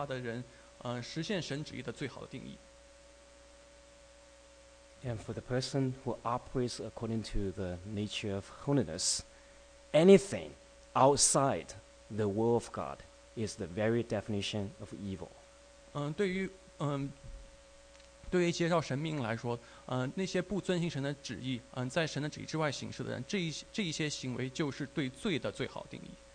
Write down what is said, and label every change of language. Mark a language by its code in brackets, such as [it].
[zh] 对于神的每样旨意来说，那样命令就是对于遵行他的人实现神旨意的最好的定义。 [en] And for the person who operates according to the nature of holiness, anything outside the will of God is the very definition of evil. [zh] 对于接受神命来说，那些不遵行神的旨意，在神的旨意之外行事的人，这一些行为就是对罪的最好定义。